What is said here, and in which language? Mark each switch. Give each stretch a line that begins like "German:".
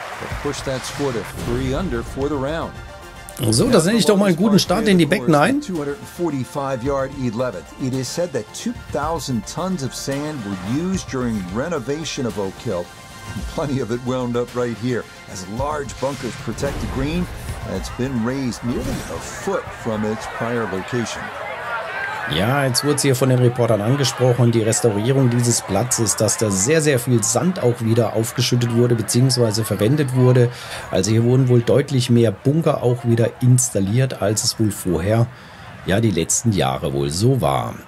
English: But push that score to 3 under for the round.
German: So, da sehe ich doch mal einen guten Start in die Back 9.
English: 245 Yard 11. It is said that 2000 tons of sand were used during renovation of Oak Hill. Plenty of it wound up right here as large bunkers protect the green that's been raised nearly a foot from its prior location.
German: Ja, jetzt wurde es hier von den Reportern angesprochen, die Restaurierung dieses Platzes, dass da sehr, sehr viel Sand auch wieder aufgeschüttet wurde bzw. verwendet wurde. Also hier wurden wohl deutlich mehr Bunker auch wieder installiert, als es wohl vorher, ja, die letzten Jahre wohl so war.